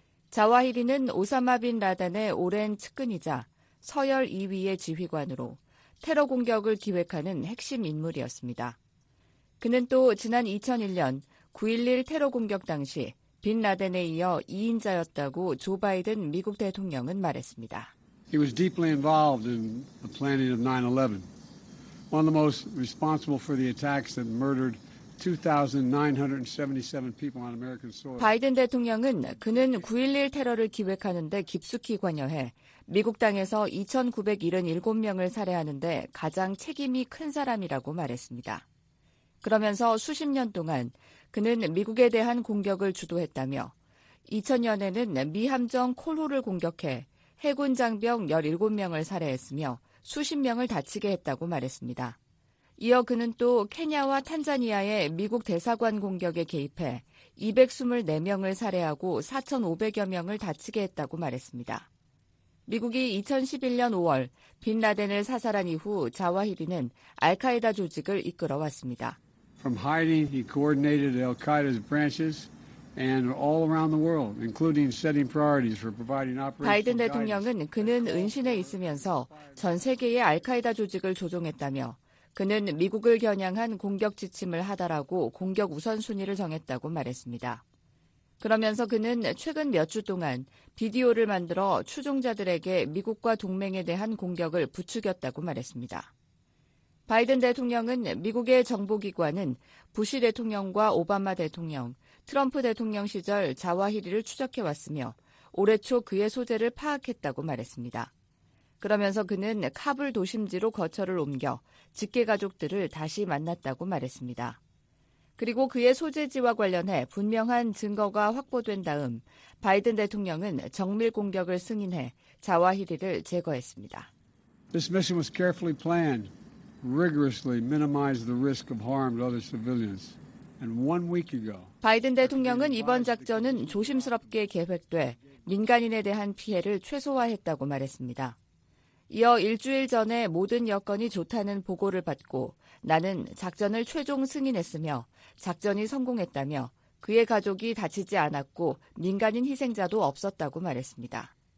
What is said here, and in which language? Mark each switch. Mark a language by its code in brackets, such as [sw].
[ko] 자와히리는 오사마 빈 라덴의 오랜 측근이자 서열 2위의 지휘관으로 테러 공격을 기획하는 핵심 인물이었습니다. 그는 또 지난 2001년 9.11 테러 공격 당시 빈 라덴에 이어 2인자였다고 조 바이든 미국 대통령은 말했습니다. [en] He was deeply involved in the planning of 9/11. One of the most responsible for the attacks that murdered 2,977 people on American soil. [ko] 바이든 대통령은 그는 9.11 테러를 기획하는 데 깊숙이 관여해 미국 땅에서 2,977명을 살해하는 데 가장 책임이 큰 사람이라고 말했습니다. 그러면서 수십 년 동안 그는 미국에 대한 공격을 주도했다며 2000년에는 미 함정 콜호를 공격해 해군 장병 17명을 살해했으며 수십 명을 다치게 했다고 말했습니다. 이어 그는 또 케냐와 탄자니아의 미국 대사관 공격에 개입해 224명을 살해하고 4,500여 명을 다치게 했다고 말했습니다. 미국이 2011년 5월 빈라덴을 사살한 이후 자와히리는 알카에다 조직을 이끌어왔습니다. [en] From hiding, he coordinated Al-Qaeda's branches and all around the world, including setting priorities for providing operational guidance. [ko] 바이든 대통령은 그는 은신에 있으면서 전 세계의 알카에다 조직을 조종했다며 그는 미국을 겨냥한 공격 지침을 하달하고 공격 우선순위를 정했다고 말했습니다. 그러면서 그는 최근 몇 주 동안 비디오를 만들어 추종자들에게 미국과 동맹에 대한 공격을 부추겼다고 말했습니다. 바이든 대통령은 미국의 정보기관은 부시 대통령과 오바마 대통령, 트럼프 대통령 시절 자와히리를 추적해왔으며 올해 초 그의 소재를 파악했다고 말했습니다. 그러면서 그는 카불 도심지로 거처를 옮겨 직계가족들을 다시 만났다고 말했습니다. 그리고 그의 소재지와 관련해 분명한 증거가 확보된 다음 바이든 대통령은 정밀 공격을 승인해 자와히리를 제거했습니다. [en] This mission was carefully planned. Rigorously minimize the risk of harm to other civilians. And one week ago, [ko] 바이든 대통령은 이번 작전은 조심스럽게 계획돼 민간인에 대한 피해를 최소화했다고 말했습니다. 이어 일주일 전에 모든 여건이 좋다는 보고를 받고 나는 작전을 최종 승인했으며 작전이 성공했다며 그의 가족이 다치지 않았고 민간인 희생자도 없었다고 말했습니다.